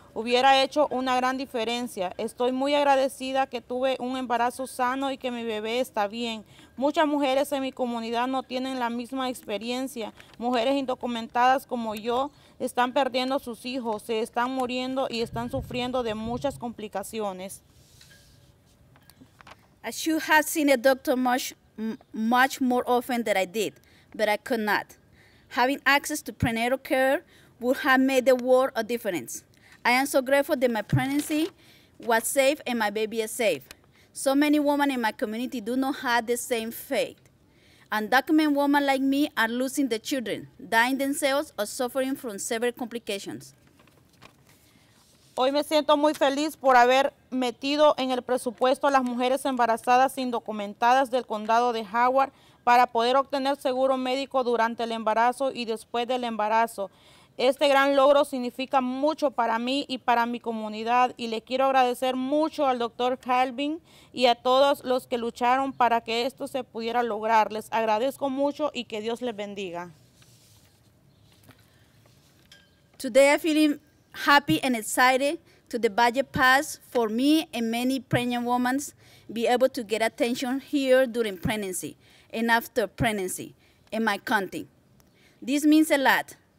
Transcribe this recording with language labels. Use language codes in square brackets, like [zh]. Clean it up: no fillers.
[es] Hubiera hecho una gran diferencia. Estoy muy agradecida que tuve un embarazo sano y que mi bebé está bien. Muchas mujeres en mi comunidad no tienen la misma experiencia. Mujeres indocumentadas como yo están perdiendo sus hijos, se están muriendo y están sufriendo de muchas complicaciones. [en] I should have seen a doctor much more often than I did, but I could not. Having access to prenatal care would have made the world a difference. I am so grateful that my pregnancy was safe and my baby is safe. So many women in my community do not have the same fate. Undocumented women like me are losing their children, dying themselves, or suffering from severe complications. [es] Hoy me siento muy feliz por haber metido en el presupuesto a las mujeres embarazadas indocumentadas del condado de Howard para poder obtener seguro médico durante el embarazo y después del embarazo. Este gran logro significa mucho para mí y para mi comunidad, y le quiero agradecer mucho al Dr. Calvin y a todos los que lucharon para que esto se pudiera lograr. Les agradezco mucho y que Dios les bendiga. [en] Today I feel happy and excited to the budget pass for me and many pregnant women be able to get attention here during pregnancy and after pregnancy in my county. This means a lot.